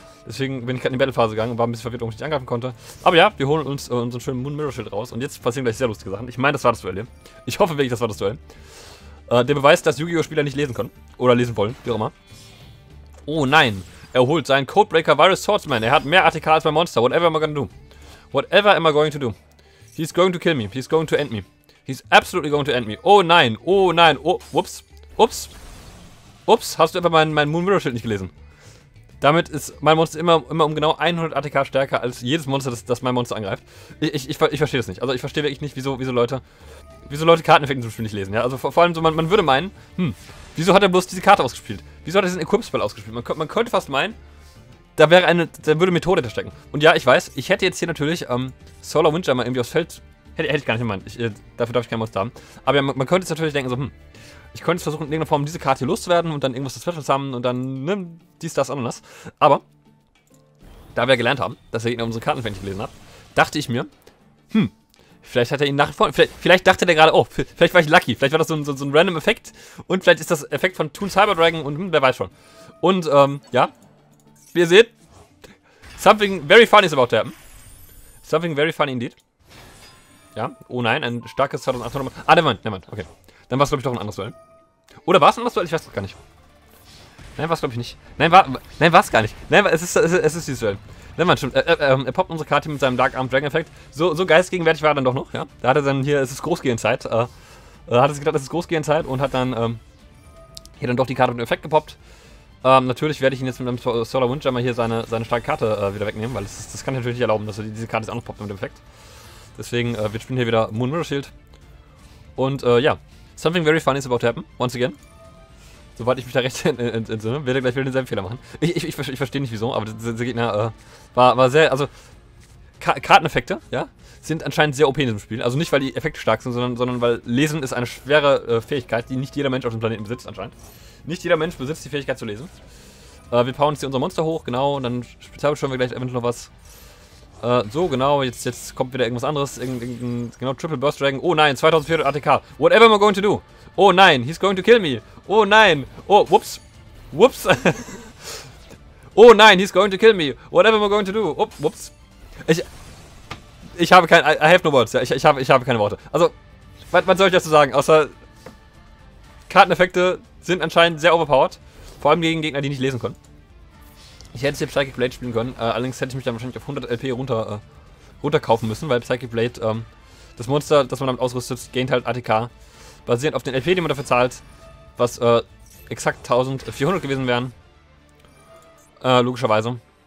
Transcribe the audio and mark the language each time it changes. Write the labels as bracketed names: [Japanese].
[German] Deswegen bin ich gerade in die Battlephase gegangen und war ein bisschen verwirrt, ob ich nicht angreifen konnte. Aber ja, wir holen uns unseren schönen Moon Mirror Shield raus. Und jetzt passieren gleich sehr lustige Sachen. Ich meine, das war das Duell hier. Ich hoffe wirklich, das war das Duell. Der Beweis, dass Yu-Gi-Oh! Spieler nicht lesen können. Oder lesen wollen, wie auch immer. Oh nein, er holt seinen Codebreaker Virus Swordsman. Er hat mehr ATK als mein Monster. [English] Whatever am I gonna do? Whatever am I going to do? He's going to kill me. He's going to end me. He's absolutely going to end me. [German] Oh nein. Oh nein. Oh, whoops. Ups. Ups. Hast du einfach mein Moon Mirror Shield nicht gelesen? Damit ist mein Monster immer um genau 100 ATK stärker als jedes Monster, das mein Monster angreift. Ich verstehe das nicht. Also ich verstehe wirklich nicht, wieso Leute Karteneffekte zum Beispiel nicht lesen. Ja? Also vor allem so, man würde meinen, wieso hat er bloß diese Karte ausgespielt? Wieso hat er diesen Equip-Spell ausgespielt? Man könnte fast meinen, da würde Methode da stecken. Und ja, ich weiß, ich hätte jetzt hier natürlich Solar Windjammer irgendwie aufs Feld. Hätte ich gar nicht gemeint. Dafür darf ich kein Monster haben. Aber ja, man könnte jetzt natürlich denken, so, ich könnte jetzt versuchen, in irgendeiner Form diese Karte hier loszuwerden und dann irgendwas zu Special haben und dann ne, dies, das, anderes. Aber, da wir gelernt haben, dass der Gegner unsere Karten fertig gelesen hat, dachte ich mir, vielleicht hat er ihn nach vorne. Vielleicht dachte der gerade, oh, vielleicht war ich lucky. Vielleicht war das so ein random Effekt und vielleicht ist das Effekt von Toon Cyberdrachen und wer weiß schon. Und, ja. Wie ihr seht, [English] Something very funny is about to happen. Something very funny indeed. [German] Ja, oh nein, ein starkes 2800. Ah, nevermind, okay. Dann war es, glaube ich, doch ein anderes Duell. Oder war es ein anderes Duell? Ich weiß es gar nicht. Nein, war es, glaube ich, nicht. Nein, war es gar nicht. Nein, es ist dieses Duell. Nevermind, stimmt. Er poppt unsere Karte mit seinem Dark Arm Dragon Effect. So geistgegenwärtig war er dann doch noch, ja. Da hat er dann hier, es ist Großgehenzeit. Hat er sich gedacht, es ist Großgehenzeit und hat dann hier dann doch die Karte mit dem Effekt gepoppt. Natürlich werde ich ihn jetzt mit einem Solar Windjammer hier seine starke Karte wieder wegnehmen, weil das kann ich natürlich nicht erlauben, dass er diese Karte jetzt auch noch poppt mit dem Effekt. Deswegen, wir spielen hier wieder Moon Mirror Shield. [English] Und ja, something very funny is about to happen, once again. [German] Sobald ich mich da recht entsinne, werde ich gleich wieder denselben Fehler machen. Ich verstehe nicht wieso, aber der Gegner war sehr, also Karteneffekte, ja, sind anscheinend sehr OP in diesem Spiel. Also nicht, weil die Effekte stark sind, sondern weil Lesen ist eine schwere Fähigkeit, die nicht jeder Mensch auf dem Planeten besitzt anscheinend. Nicht jeder Mensch besitzt die Fähigkeit zu lesen. Wir powern jetzt hier unser Monster hoch, genau, und dann spezialbeschwören wir gleich eventuell noch was. So, genau, jetzt kommt wieder irgendwas anderes. Genau, Triple Burst Dragon. Oh nein, 2400 ATK. [English] Whatever am I going to do? [German] Oh nein, [English] he's going to kill me. Oh nein. Oh, whoops. Whoops. [German] Oh nein, [English] he's going to kill me. Whatever am I going to do? [German] Oh, whoops. Ich habe kein... [English] I have no words. [German] Ja, ich habe keine Worte. Also, was soll ich dazu sagen? Außer, Karteneffekte sind anscheinend sehr overpowered. Vor allem gegen Gegner, die nicht lesen können. Ich hätte hier Psychic Blade spielen können, allerdings hätte ich mich dann wahrscheinlich auf 100 LP runterkaufen müssen, weil Psychic Blade, das Monster, das man damit ausrüstet, gaint halt ATK, basierend auf den LP, die man dafür zahlt, was exakt 1400 gewesen wären, logischerweise.